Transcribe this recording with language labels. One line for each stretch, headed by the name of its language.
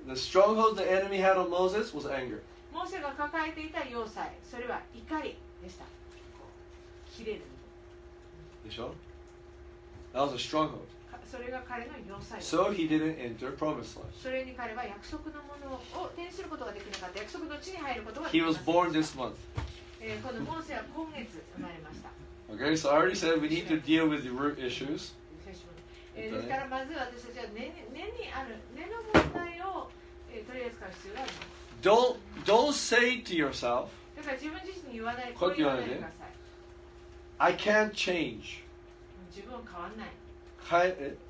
English: The stronghold the enemy had on Moses was anger.
Japanese: モーセが抱えていた要塞、それは怒りでした。切れる。でしょ?
English: That was a stronghold.
Japanese: それが彼の要塞。
English: So he didn't enter promised land.
Japanese: それに彼は約束のものを手にすることができなかった。約束の地に入ることができなかった。
English: He was born this month.
Japanese: このモーセは今月生まれました。
English: Okay, so I already said we need to deal with the root issues.
Japanese: ですからまず私たちは根にある根の問題を取り扱う必要があります。
English: Don't say to yourself.
Japanese: だから自分自身に言わない。こう言わないでください。
English: I can't change.
Japanese: 自分は変わんない。